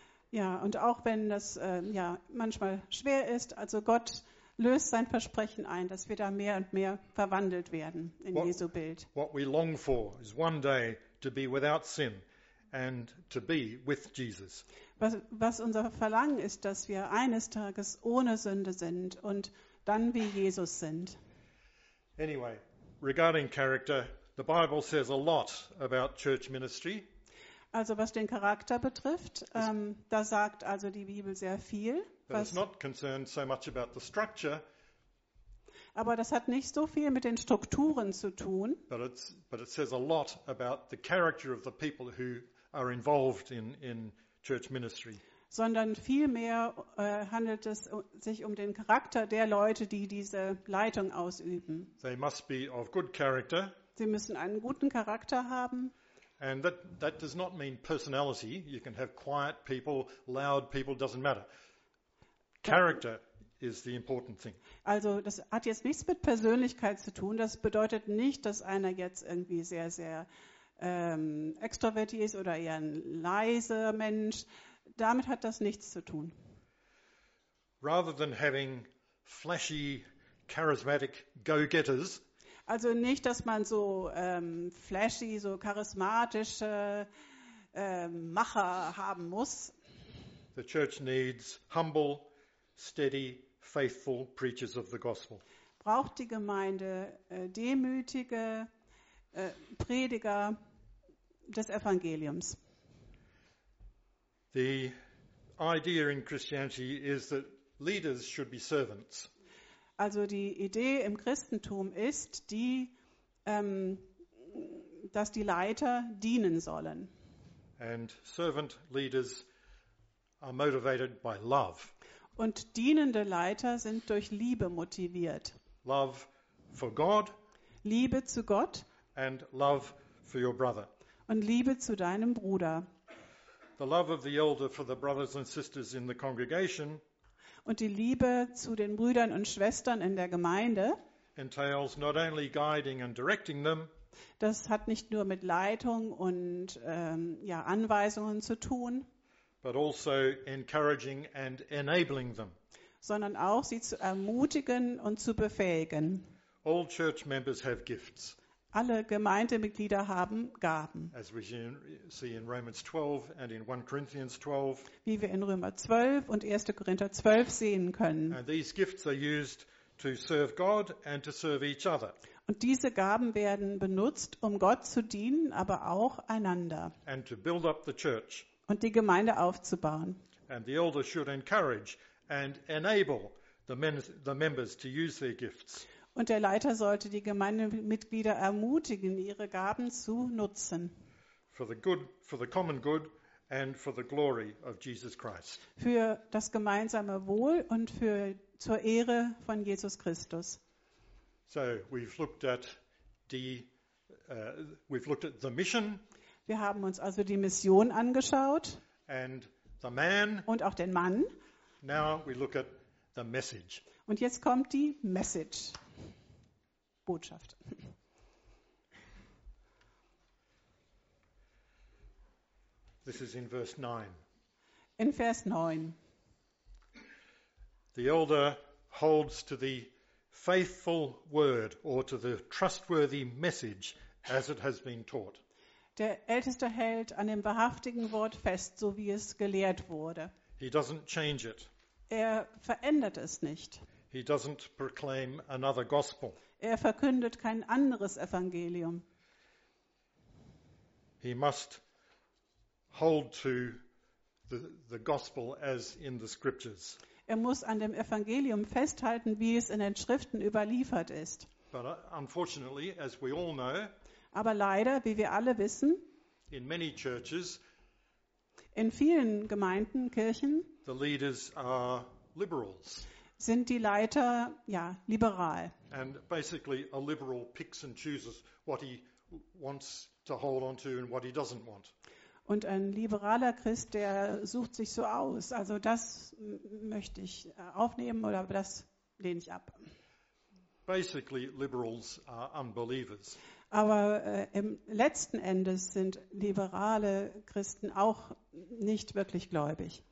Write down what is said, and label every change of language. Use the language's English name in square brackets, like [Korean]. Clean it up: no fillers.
[German] Ja, und auch wenn das manchmal schwer ist, also Gott löst sein Versprechen ein, dass wir da mehr und mehr verwandelt werden in Jesu Bild. [English] What we long for is one day to be without sin and to be with Jesus. [German] Was unser Verlangen ist, dass wir eines Tages ohne Sünde sind und dann wie Jesus sind. [English] Anyway, regarding character, the Bible says a lot about church ministry. [German] Also was den Charakter betrifft, da sagt also die Bibel sehr viel. [English] But it's not concerned so much about the structure. [German] Aber das hat nicht so viel mit den Strukturen zu tun. [English] But it says a lot about the character of the people who are involved in church ministry. [German] Sondern vielmehr handelt es sich um den Charakter der Leute, die diese Leitung ausüben. [English] They must be of good character. [German] Sie müssen einen guten Charakter haben. [English] And that does not mean personality. You can have quiet people, loud people, doesn't matter. Character is the important thing. [German] Also das hat jetzt nichts mit Persönlichkeit zu tun. Das bedeutet nicht, dass einer jetzt irgendwie sehr, sehr extrovertiert ist oder eher ein leiser Mensch. Damit hat das nichts zu tun. [English] Rather than having flashy, charismatic go-getters. [German] Also nicht, dass man so flashy, so charismatische Macher haben muss. [English] The church needs humble, steady, faithful preachers of the gospel. [German] Braucht die Gemeinde demütige Prediger des Evangeliums. [English] The idea in Christianity is that leaders should be servants. [German] Also die Idee im Christentum ist, dass die Leiter dienen sollen. [English] And servant leaders are motivated by love. [German] Und dienende Leiter sind durch Liebe motiviert. [English] Love for God. [German] Liebe zu Gott. [English] And love for your brother. [German] Und Liebe zu deinem Bruder. [English] The love of the elder for the brothers and sisters in the congregation. [German] Und die Liebe zu den Brüdern und Schwestern in der Gemeinde. [English] Entails not only guiding and directing them. [German] Das hat nicht nur mit Leitung und Anweisungen zu tun. [English] But also encouraging and enabling them. [German] Sondern auch sie zu ermutigen und zu befähigen. [English] All church members have gifts. [German] Alle Gemeindemitglieder haben Gaben. [English] As we see in Romans 12 and in 1 Corinthians 12. [German] Wie wir in Römer 12 und 1. Korinther 12 sehen können. [English] And these gifts are used to serve God and to serve each other. [German] Und diese Gaben werden benutzt, um Gott zu dienen, aber auch einander. [English] And to build up the church. [German] Und die Gemeinde aufzubauen. [English] And the elders should encourage and enable the members to use their gifts. [German] Und der Leiter sollte die Gemeindemitglieder ermutigen, ihre Gaben zu nutzen. [English] For the common good and for the glory of Jesus Christ. [German] Für das gemeinsame Wohl und für zur Ehre von Jesus Christus. [English] So we've looked at the mission. [German] Wir haben uns also die Mission angeschaut. [English] And the man. [German] Und auch den Mann. [English] Now we look at the message. [German] Und jetzt kommt die Message. Botschaft. [English] This is in verse 9. [German] In Vers 9. [English] The elder holds to the faithful word or to the trustworthy message as it has been taught. [German] Der Älteste hält an dem wahrhaftigen Wort fest, so wie es gelehrt wurde. [English] He doesn't change it. [German] Er verändert es nicht. [English] He doesn't proclaim another gospel. [German] Er verkündet kein anderes Evangelium. [English] He must hold to the gospel as in the scriptures. [German] Er muss an dem Evangelium festhalten, wie es in den Schriften überliefert ist. [English] But unfortunately, as we all know, [German] aber leider, wie wir alle wissen, [English] in many churches, [German] in vielen Gemeinden, Kirchen, [English] the leaders are liberals. [German] Sind die Leiter liberal. [English] And basically a liberal picks and chooses what he wants to hold on to and what he doesn't want. [German] Und ein liberaler Christ, der sucht sich so aus, also das möchte ich aufnehmen oder das lehne ich ab. [English] Basically liberals are unbelievers. [German] Aber im letzten Endes sind liberale Christen auch nicht wirklich gläubig.